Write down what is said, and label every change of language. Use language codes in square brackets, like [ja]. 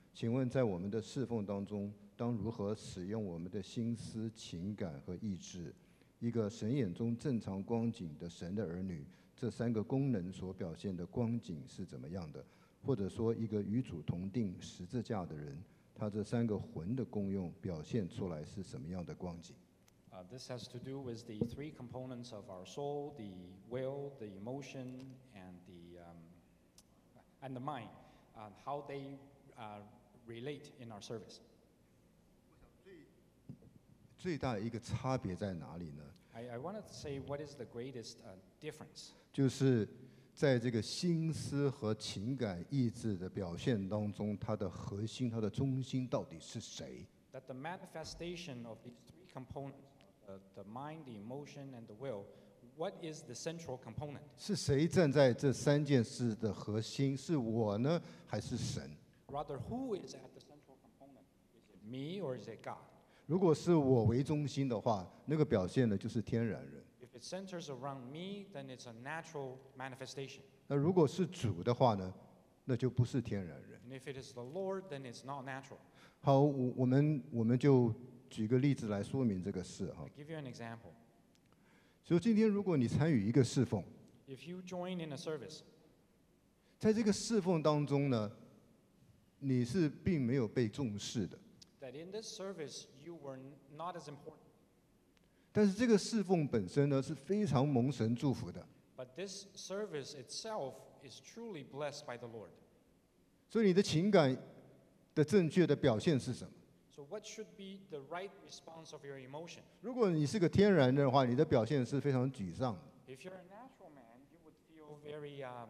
[zh] 请问在我们的侍奉当中，当如何使用我们的心思、情感和意志？一个神眼中正常光景的神的儿女，这三个功能所表现的光景是怎么样的？或者说一个与主同定十字架的人，他这三个魂的功用表现出来是什么样的光景。 [en] This has to do with the three components of our soul, the will, the emotion, and the mind, how they relate in our service. [zh] 最大一个差别在哪里呢？ [en] I want to say what is the greatest difference. [zh] 就是在这个心思和情感意志的表现当中，它的核心，它的中心到底是谁？ [en] That the manifestation of these three components,the mind, the emotion, and the will, what is the central component? [zh] 是谁站在这三件事的核心？是我呢，还是神？ [en] Rather, who is at the central component? Is it me or is it God? [zh] 如果是我为中心的话，那个表现呢，就是天然人。 [en] If it centers around me, then it's a natural manifestation. [zh] 那如果是主的话呢，那就不是天然人。 [en] And if it is the Lord, then it's not natural. [zh] 好，我们就举个例子来说明这个事哈。 [en] I'll give you an example. [zh] 所以今天如果你参与一个侍奉， [en] If you join in a service, [zh] 在这个侍奉当中呢，你是并没有被重视的。 [en] That in this service you were not as important. [zh] 但是这个侍奉本身呢是非常蒙神祝福的。 [en] But this service itself is truly blessed by the Lord. [zh] 所以你的情感的正确的表现是什么？ [en] So what should be the right response of your emotion? [zh] 如果你是个天然的话，你的表现是非常沮丧。 [en] If you're a natural man, you would feel very